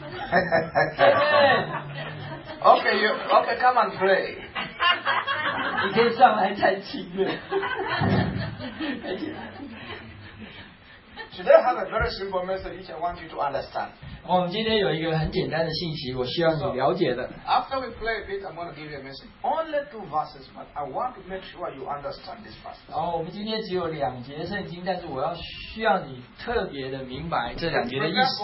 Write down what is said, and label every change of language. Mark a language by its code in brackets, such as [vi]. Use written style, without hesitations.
[en] Hey! Okay, come and pray. [zh] 你可以上来再请。 [en] Today I have a very simple message which I want you to understand. [zh] 我们今天有一个很简单的信息，我需要你了解的。 [en] After we play a bit, I'm going to give you a message. Only two verses, but I want to make sure you understand this verse. [zh] 我们今天只有两节圣经，但是我要需要你特别的明白这两节的意思。